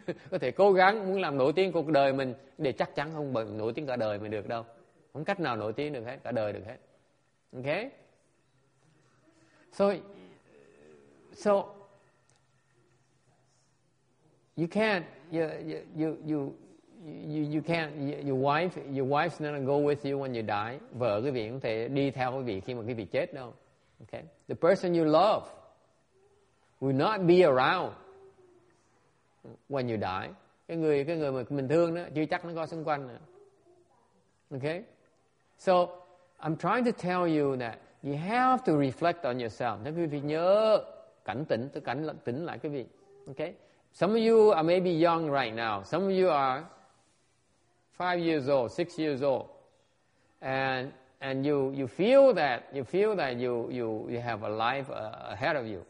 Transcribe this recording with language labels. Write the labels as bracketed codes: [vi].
[vi] Có thể cố gắng muốn làm nổi tiếng cuộc đời mình, để chắc chắn không nổi tiếng cả đời mình được đâu. Không cách nào nổi tiếng được hết, cả đời được hết. [en] Okay? So you can't, you can't, your wife's not gonna go with you when you die. [vi] Vợ quý vị không thể đi theo quý vị khi mà quý vị chết đâu. Okay? [en] The person you love will not be around when you die. [vi] Cái người mà mình thương đó chưa chắc nó có xung quanh nữa. [en] Okay? So, I'm trying to tell you that you have to reflect on yourself. [vi] Nên quý vị nhớ cảnh tỉnh, tôi cảnh tỉnh lại quý vị. [en] Okay? Some of you are maybe young right now. Some of you are 5 years old, 6 years old. And you feel that you have a life ahead of you.